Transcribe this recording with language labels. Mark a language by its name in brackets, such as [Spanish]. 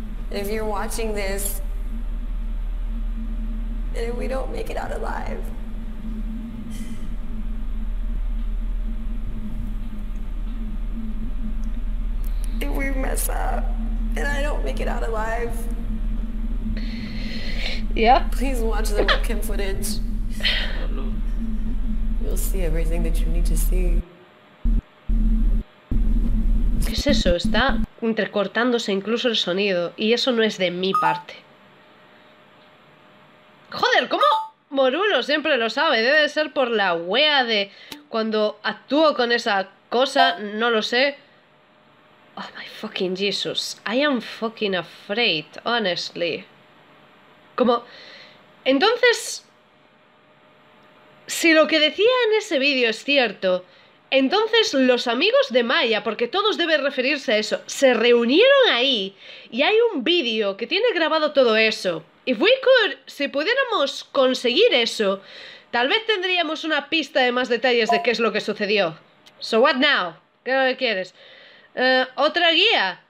[English] If you're watching this, and if we don't make it out alive, if we mess up, and I don't make it out alive, yeah, please watch the webcam footage. You'll see everything that you need to see. [Spanish] ¿Qué es eso? Está entrecortándose incluso el sonido. Y eso no es de mi parte. ¡Joder! ¿Cómo Morulo siempre lo sabe? Debe ser por la wea de cuando actúo con esa cosa. No lo sé. [English] Oh my fucking Jesus. I am fucking afraid, honestly. [Spanish] Como. Entonces. Si lo que decía en ese vídeo es cierto. Entonces los amigos de Maya, porque todos deben referirse a eso, se reunieron ahí y hay un vídeo que tiene grabado todo eso. [English] If we could, [Spanish] si pudiéramos conseguir eso, tal vez tendríamos una pista de más detalles de qué es lo que sucedió. [English] So what now? [Spanish] ¿Qué quieres? Otra guía.